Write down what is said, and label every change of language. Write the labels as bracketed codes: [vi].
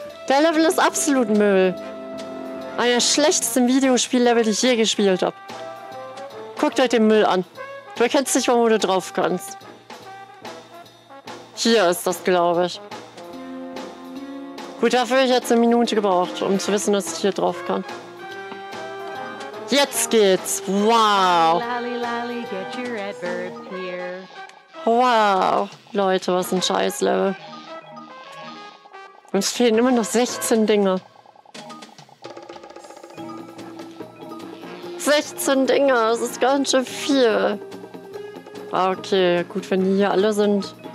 [de] Der Level ist absolut Müll. Einer der schlechtesten Videospiel-Level, die ich je gespielt habe. Guckt euch den Müll an. Du erkennst nicht mal, wo du drauf kannst. Hier ist das, glaube ich. Gut, dafür habe ich jetzt eine Minute gebraucht, um zu wissen, dass ich hier drauf kann. Jetzt geht's. Wow. [en] Lally, lally, get your adverbs here. Wow. [de] Leute, was ein scheiß Level. Uns fehlen immer noch 16 Dinge. 16 Dinge, das ist ganz schön viel. Okay, gut, wenn die hier alle sind.